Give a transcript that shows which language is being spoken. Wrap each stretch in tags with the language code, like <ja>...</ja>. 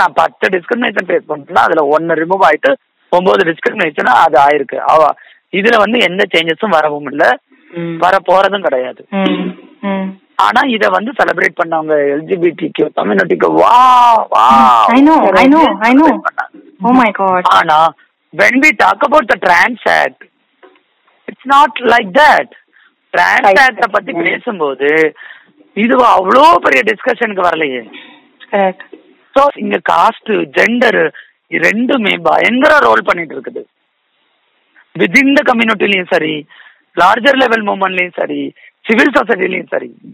<ta>நான் 10 discrimination face பண்ணா அதுல 1 ரிமூவ் ஆயிட்டு 9 டிஸ்கிரிமினேஷன் அது ஆயிருக்கு. இதுல வந்து எந்த சேஞ்சஸும் வரவும் இல்ல, வர போறதும் கிடையாது. ஆனா இத வந்து செலிப்ரேட் பண்ணவங்க எல்ஜிபிடிக்கு கம்யூனிட்டிக்கு வா வா,</ta> <en>I know I know I know, oh my God.</en> <ta>ஆனா</ta> <en>when we talk about the trans act, it's not like that.</en> <ta>Trans act பத்தி பேசும்போது இது அவ்வளோ பெரிய டிஸ்கஷனுக்கு வரலையே.</ta> <en>Correct.</en> <ta>சோ இங்க காஸ்ட் ஜெண்டர் ரெண்டுமே பயங்கர ரோல் பண்ணிட்டு இருக்குது. வித்இன் த கம்யூனிட்டிலையும் சரி, லார்ஜர் லெவல் மூமெண்ட்லயும் சரி, சிவில் சொசைட்டிலையும் சரி.</ta>